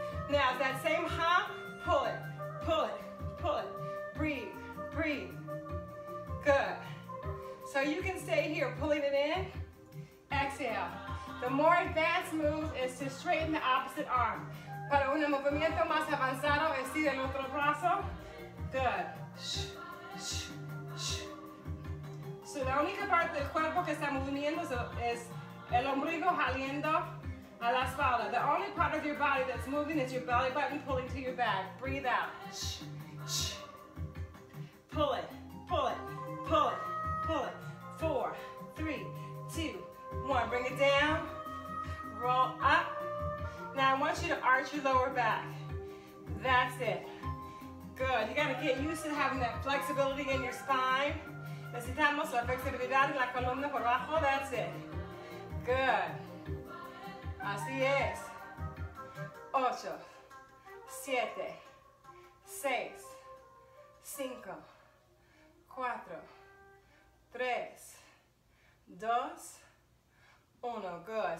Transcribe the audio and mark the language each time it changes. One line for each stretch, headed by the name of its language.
English: Now, that same hop, pull it, pull it, pull it. Breathe, breathe. Good. So you can stay here, pulling it in. Exhale. The more advanced move is to straighten the opposite arm.
Spanish: Para un movimiento más avanzado, estira el otro brazo. Good. Shh, shh. So la única parte del cuerpo que está moviendo es el ombligo saliendo a la espalda.
English: The only part of your body that's moving is your belly button pulling to your back. Breathe out. Shh, shh. Pull it, pull it, pull it, pull it. Four, three, two, one. Bring it down. Roll up. Now I want you to arch your lower back. That's it. Good. You got to get used to having that flexibility in your spine.
Spanish: Necesitamos la flexibilidad en la columna por abajo.
English: That's it. Good.
Spanish: Así es. Ocho. Siete. Seis. Cinco. Cuatro. Tres. Dos. Uno. Good.